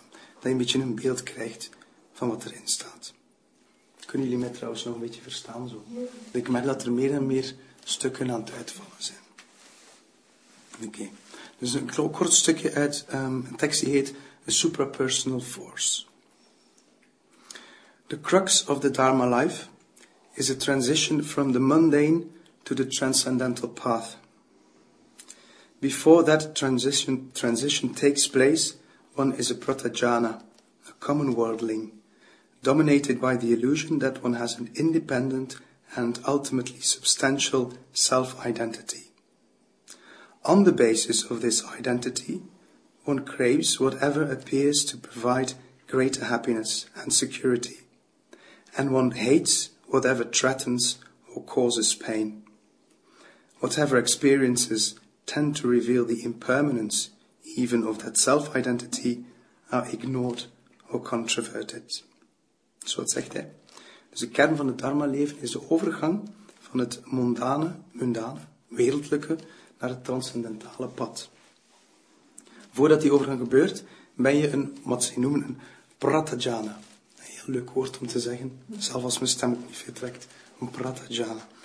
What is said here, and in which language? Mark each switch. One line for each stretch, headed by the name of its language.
Dutch: Dat je een beetje een beeld krijgt van wat erin staat. Kunnen jullie mij trouwens nog een beetje verstaan zo? Ja. Ik merk dat er meer en meer stukken aan het uitvallen zijn. Oké. Dus een kort stukje uit een tekst die heet A Suprapersonal Force.
English: The crux of the Dharma life is a transition from the mundane to the transcendental path. Before that transition takes place, one is a Pratajana, a common worldling, dominated by the illusion that one has an independent and ultimately substantial self-identity. On the basis of this identity, one craves whatever appears to provide greater happiness and security, and one hates whatever threatens or causes pain. Whatever experiences tend to reveal the impermanence even of that self-identity are ignored or controverted.
Dutch: Zo zegt hij. Dus de kern van het dharma-leven is de overgang van het mundane, wereldlijke, naar het transcendentale pad. Voordat die overgang gebeurt, ben je een, wat ze noemen, een pratajana. Een heel leuk woord om te zeggen, zelfs als mijn stem ook niet vertrekt. Een pratajana.